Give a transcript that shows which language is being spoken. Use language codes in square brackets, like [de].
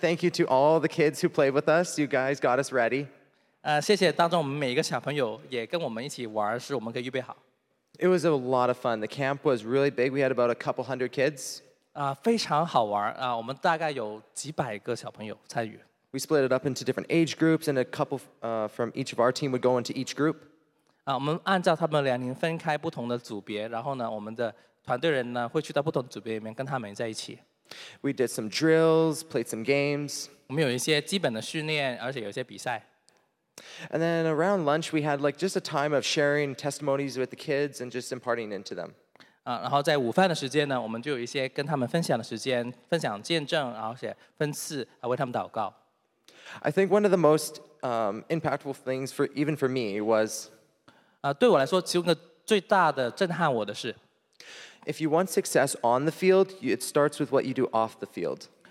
[en] thank you to all the kids who played with us. You guys got us ready. It was a lot of fun. The camp was really big. We had about a couple hundred kids. [zh] 非常好玩，我们大概有几百个小朋友参与。 [en] We split it up into different age groups, and a couple from each of our team would go into each group. [zh] 我们按照他们年龄分开不同的组别，然后呢，我们的团队人呢会去到不同组别里面跟他们在一起。 [en] We did some drills, played some games. [zh] 我们有一些基本的训练，而且有一些比赛。 [en] And then around lunch, we had like just a time of sharing testimonies with the kids and just imparting into them. [zh] 然后在午饭的时间呢，我们就有一些跟他们分享的时间，分享见证，而且分次为他们祷告。 [en] I think one of the most impactful things for even for me was [zh] 对我来说其中的最大的震撼我的是 [en] If you want success on the field, it starts with what you do off the field.